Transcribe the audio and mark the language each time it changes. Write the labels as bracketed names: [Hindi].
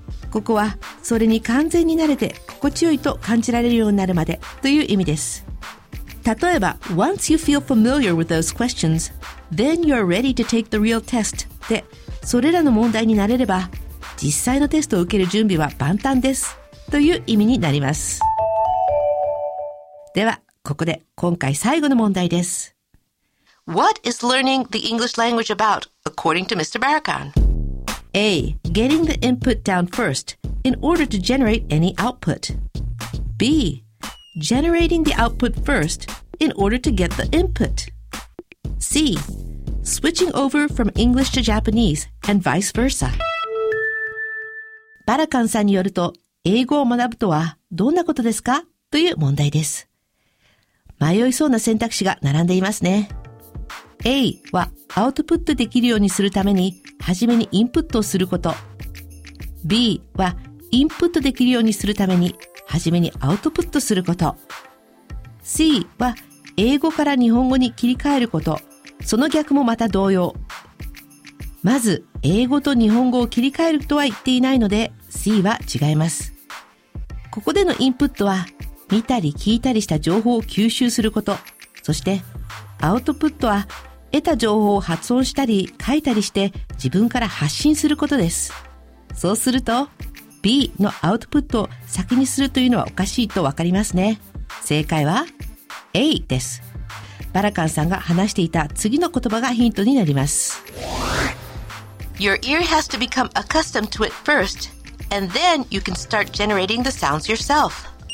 [Japanese] ここはそれに完全に慣れて心地よいと感じられるようになるまでという意味です。例えば [English] Once you feel familiar with those questions, then you're ready to take the real test. [Japanese] で、それらの問題に慣れれば実際のテストを受ける準備は万端ですという意味になります。ではここで今回最後の問題です。 [English] What is learning the English language about, according to Mr. Barrackan? A. Getting the input down first in order to generate any output. B. Generating the output first in order to get the input. C. Switching over from English to Japanese and vice versa. [Japanese] バラカンさんによると、英語を学ぶとはどんなことですか？という問題です。迷いそうな選択肢が並んでいますね。A はアウトプットできるようにするために、はじめにインプットをすること。 B はインプットできるようにするために、はじめにアウトプットすること。 C は英語から日本語に切り替えること。その逆もまた同様。まず英語と日本語を切り替えるとは言っていないので C は違います。ここでのインプットは見たり聞いたりした情報を吸収すること。そしてアウトプットは得た情報を発音したり書いたりして自分から発信することです。そうするとB のアウトプットを先にするというのはおかしいとわかりますね。正解は A です。バラカンさんが話していた次の言葉がヒントになります。 [English] Your ear has to become accustomed to it first, and then you can start generating the sounds yourself.